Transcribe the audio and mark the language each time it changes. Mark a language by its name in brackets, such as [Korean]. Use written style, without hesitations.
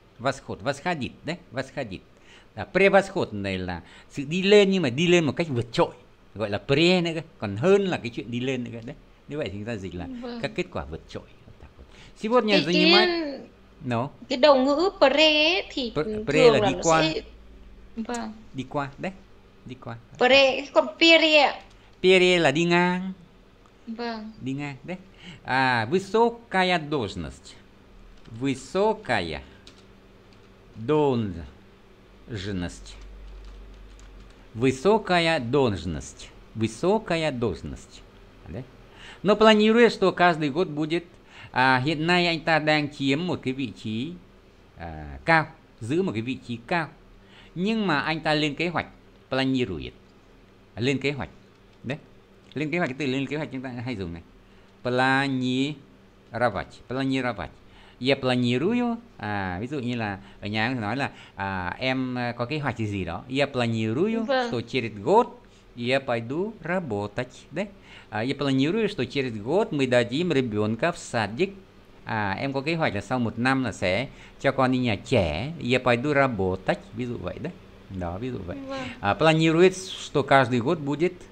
[Russian] Восход, восходит đấy, восходит. [Vietnamese] Превосход này là sự đi lên nhưng mà đi lên một cách vượt trội, gọi là pre nữa, còn hơn là cái chuyện đi lên nữa đấy. Như vậy thì chúng ta dịch là các kết quả vượt trội. [Russian] Сегодня занимает. No. [Vietnamese] Cái đầu ngữ pre thì pre là đi qua. Sẽ... Vâng. Đi qua đấy, đi qua. Pre, còn pere. Pere là đi ngang. Vâng. Đi ngang đấy. [Russian] Высокая должность. Высокая должность. Высокая должность. Высокая должность. Đấy. Но планирует, что каждый год будет. [Vietnamese] Hiện nay anh ta đang chiếm một cái vị trí cao, giữ một cái vị trí cao. Nhưng mà anh ta lên kế hoạch, planируют, lên kế hoạch, đấy, lên kế hoạch, cái từ lên kế hoạch chúng ta hay dùng này, planировать, planировать, planiruyo. À, ví dụ như là ở nhà em nói là em có kế hoạch gì đó. [Russian] Я планирую, [Vietnamese] Vâng. [Russian] что через год я пойду работать. [Vietnamese] Đấy. [Russian] Я планирую, что через год мы дадим ребенка в садик. [Vietnamese] À, em có kế hoạch là sau 1 năm là sẽ cho con đi nhà trẻ. [Russian] Я пойду работать. [Vietnamese] Ví dụ vậy đấy. Đó, ví dụ vậy. Vâng. [Russian] Планирует, что каждый год будет.